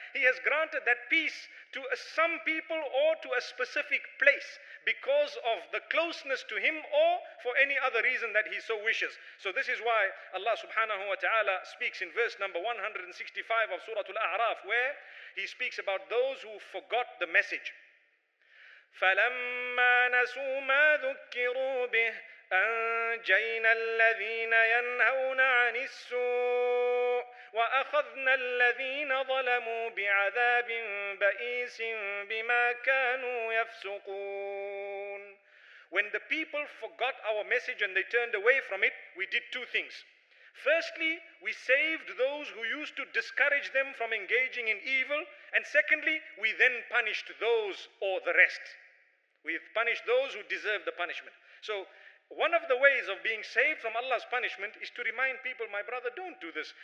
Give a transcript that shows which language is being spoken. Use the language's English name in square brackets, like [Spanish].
[English] He has granted that peace to some people or to a specific place because of the closeness to Him or for any other reason that He so wishes. So this is why Allah subhanahu wa ta'ala speaks in verse number 165 of Surah Al-A'raf, where He speaks about those who forgot the message. [Arabic] فَلَمَّا نَسُوا مَا ذُكِّرُوا بِهِ أنجينا الذين ينهون عن السوء وأخذنا الذين ظلموا بعذاب بئيس بما كانوا يفسقون. [English] When the people forgot our message and they turned away from it, we did two things. Firstly, we saved those who used to discourage them from engaging in evil. And secondly, we then punished those or the rest. We punished those who deserved the punishment. So, one of the ways of being saved from Allah's punishment is to remind people, my brother, don't do this.